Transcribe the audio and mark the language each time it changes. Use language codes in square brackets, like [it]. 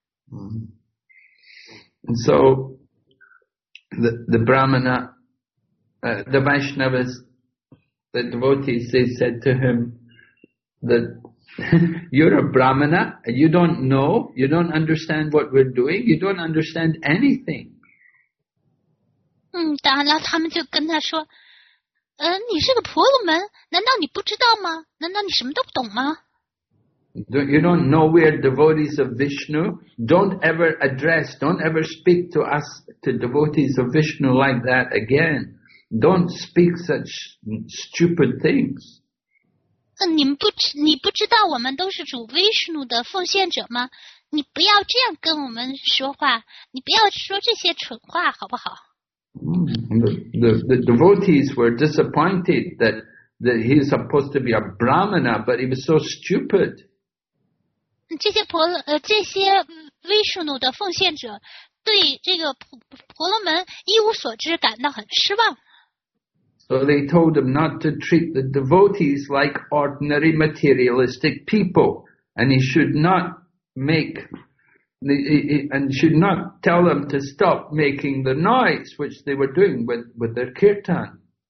[en] And so the Brahmana, the Vaishnavas, the devotees, they said to him that you're a Brahmana and you don't know, you don't understand what we're doing, you don't understand anything. [zh] 嗯，当然了，他们就跟他说，你是个婆罗门，难道你不知道吗？难道你什么都不懂吗？ [en] You don't know we are devotees of Vishnu. Don't ever address, don't ever speak to us, to devotees of Vishnu like that again. Don't speak such stupid things. [zh] 你不知道我们都是主 Vishnu 的奉献者吗？你不要这样跟我们说话，你不要说这些蠢话，好不好？ [en] The devotees were disappointed that he is supposed to be a Brahmana, but he was so stupid. [zh] 这些威士努的奉献者对这个婆罗门一无所知感到很失望。 [en] So they told him not to treat the devotees like ordinary materialistic people, and he should not make, and should not tell them to stop making the noise which they were doing with their kirtan.